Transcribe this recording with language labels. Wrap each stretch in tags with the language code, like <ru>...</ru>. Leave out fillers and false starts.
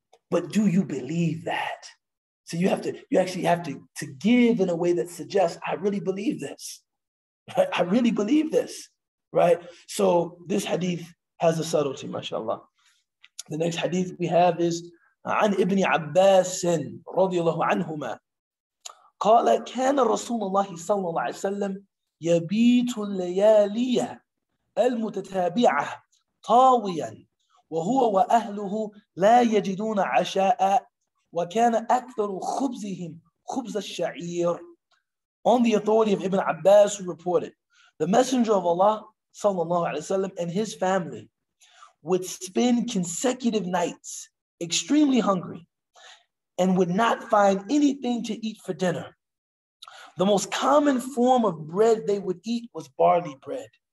<en>But do you believe that? So you actually have to give in a way that suggests, I really believe this. Right? I really believe this, right? So this hadith has a subtlety, mashallah. The next hadith we have is,</en> <ar>عن ابن عباس رضي الله عنهما. قال كان رسول الله صلى الله عليه وسلم يبيت الليالي المتتابعة طاويا وهو وأهله لا يجدون عشاء وكان أكثر خبزهم خبز الشعير.</ar> <en>On the authority of Ibn Abbas, who reported, the Messenger of Allah</en> <ar>صلى الله عليه وسلم</ar> <en>and his family would spend consecutive nights extremely hungry and would not find anything to eat for dinner. The most common form of bread they would eat was barley bread.</en>